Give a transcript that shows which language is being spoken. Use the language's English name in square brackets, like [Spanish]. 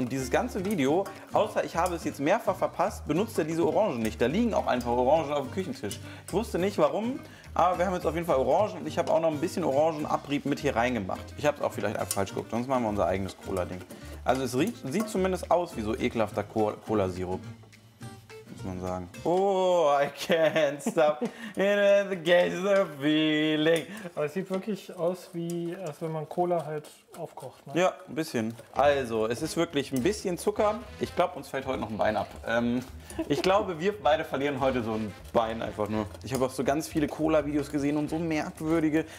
[German] Und dieses ganze Video, außer ich habe es jetzt mehrfach verpasst, benutzt er diese Orangen nicht. Da liegen auch einfach Orangen auf dem Küchentisch. Ich wusste nicht, warum, aber wir haben jetzt auf jeden Fall Orangen. Und ich habe auch noch ein bisschen Orangenabrieb mit hier reingemacht. Ich habe es auch vielleicht einfach falsch geguckt. Sonst machen wir unser eigenes Cola-Ding. Also es sieht zumindest aus wie so ekelhafter Cola-Sirup. Man sagen. [English] Oh, I can't stop it, the gaze of feeling. [German] Aber es sieht wirklich aus, wie als wenn man Cola halt aufkocht. Ne? Ja, ein bisschen. Also, es ist wirklich ein bisschen Zucker. Ich glaube, uns fällt heute noch ein Bein ab. Ich glaube, wir beide verlieren heute so ein Bein einfach nur. Ich habe auch so ganz viele Cola-Videos gesehen und so merkwürdige.